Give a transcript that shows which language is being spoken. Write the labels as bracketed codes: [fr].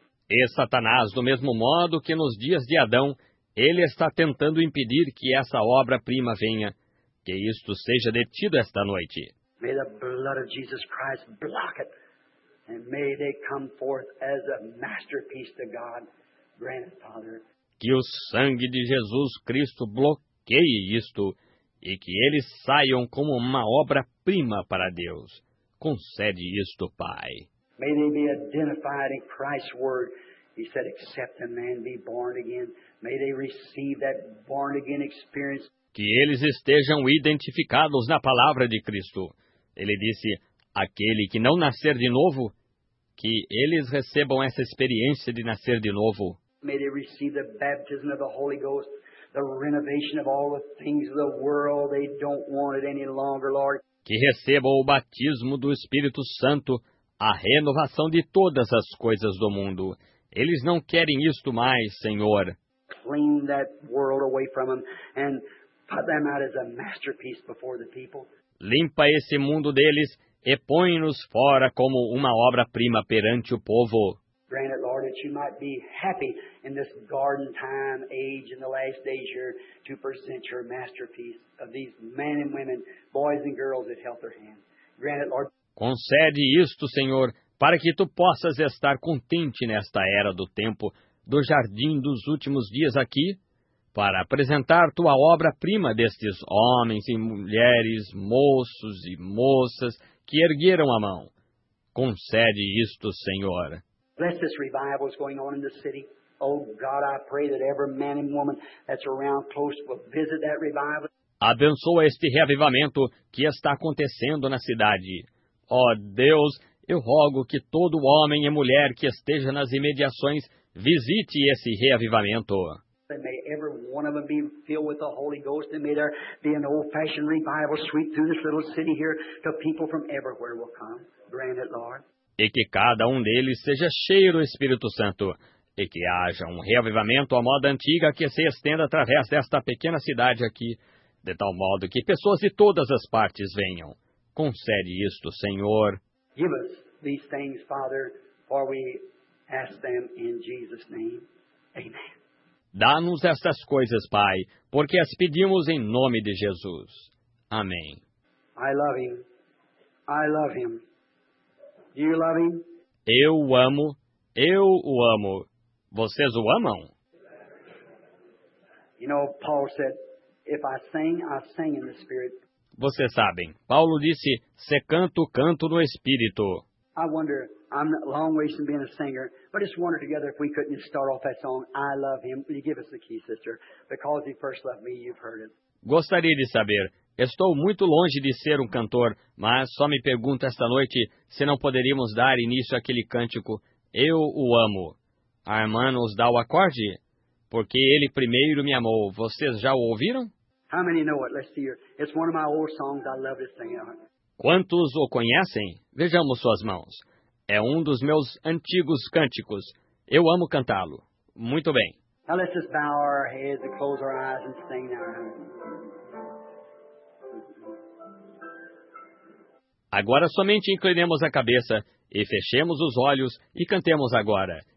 [pt] E Satanás, do mesmo modo que nos dias de Adão, ele está tentando impedir que essa obra-prima venha, que isto seja detido esta noite. [en] May the blood of Jesus Christ block it, and may they come forth as a masterpiece to God, grant it, Father. [pt] Que o sangue de Jesus Cristo bloqueie isto e que eles saiam como uma obra-prima para Deus. Concede isto, Pai. [en] May they be identified in Christ's word. He said, except a man be born again. May they receive that born again experience. [pt] Que eles estejam identificados na palavra de Cristo. Ele disse, aquele que não nascer de novo, que eles recebam essa experiência de nascer de novo. [en] May they receive the baptism of the Holy Ghost, the renovation of all the things of the world. They don't want it any longer, Lord. [pt] Que recebam o batismo do Espírito Santo, a renovação de todas as coisas do mundo. Eles não querem isto mais, Senhor. [en] Clean that world away from them and put them out as a masterpiece before the people. [pt] limpa esse mundo deles e põe-nos fora como uma obra-prima perante o povo. [en] Grant it, Lord, that you might be happy in this garden time age in the last days here to present your masterpiece of these men and women, boys and girls that held their hands. Grant it, Lord. [pt] Concede isto, Senhor, para que tu possas estar contente nesta era do tempo, do jardim dos últimos dias aqui, para apresentar tua obra-prima destes homens e mulheres, moços e moças que ergueram a mão. Concede isto, Senhor. [en] Bless this revival that's going on in the city. Oh God, I pray that every man and woman that's around close will visit that revival. [pt] Abençoa este reavivamento que está acontecendo na cidade. Oh Deus, eu rogo que todo homem e mulher que esteja nas imediações visite esse reavivamento. [en] May every one of them be filled with the Holy Ghost, and may there be an old-fashioned revival sweep through this little city here, till people from everywhere will come. Grant it, Lord. [pt] E que cada um deles seja cheio do Espírito Santo, e que haja um reavivamento à moda antiga que se estenda através desta pequena cidade aqui, de tal modo que pessoas de todas as partes venham. Concede isto, Senhor. [en] Give us these things, Father, for we ask them in Jesus' name. Amen. [pt] Dá-nos estas coisas, Pai, porque as pedimos em nome de Jesus. Amém. [en] I love him. I love him. Do you love him? [pt] Eu o amo. Eu o amo. Vocês o amam? [en] You know, Paul said, if I sing, I sing in the Spirit. [pt] Vocês sabem, Paulo disse, se canto, canto no Espírito. [en] I wonder, I'm a long ways from being a singer, but just wonder together if we couldn't start off that song, I love him. Will you give us the key, sister? Because he first loved me, you've heard it. [pt] Gostaria de saber. Estou muito longe de ser um cantor, mas só me pergunto esta noite se não poderíamos dar início àquele cântico, Eu o Amo. A irmã nos dá o acorde? Porque ele primeiro me amou. Vocês já o ouviram? [en] How many know it? Let's see here. It's one of my old songs. I love this thing. [pt] Quantos o conhecem? Vejamos suas mãos. É um dos meus antigos cânticos. Eu amo cantá-lo. Muito bem. [en] Now let's just bow our heads and close our eyes and sing now. [pt] Agora somente inclinemos a cabeça e fechemos os olhos e cantemos agora.